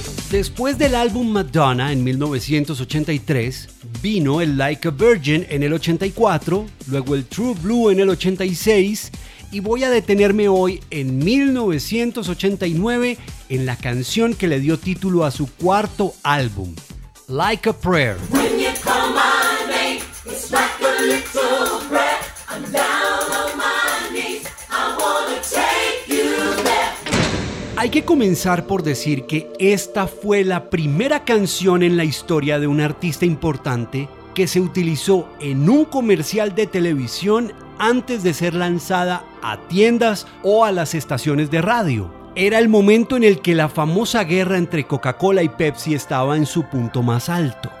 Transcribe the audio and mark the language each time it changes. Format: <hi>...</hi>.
<es>Después del álbum Madonna en 1983, vino el Like a Virgin en el 84, luego el True Blue en el 86 y voy a detenerme hoy en 1989 en la canción que le dio título a su cuarto álbum, Like a Prayer.</es> <en>When you call my name, it's like a little breath. I'm down on my knees, I wanna take you there.</en> <es>Hay que comenzar por decir que esta fue la primera canción en la historia de un artista importante que se utilizó en un comercial de televisión antes de ser lanzada a tiendas o a las estaciones de radio. Era el momento en el que la famosa guerra entre Coca-Cola y Pepsi estaba en su punto más alto.</es>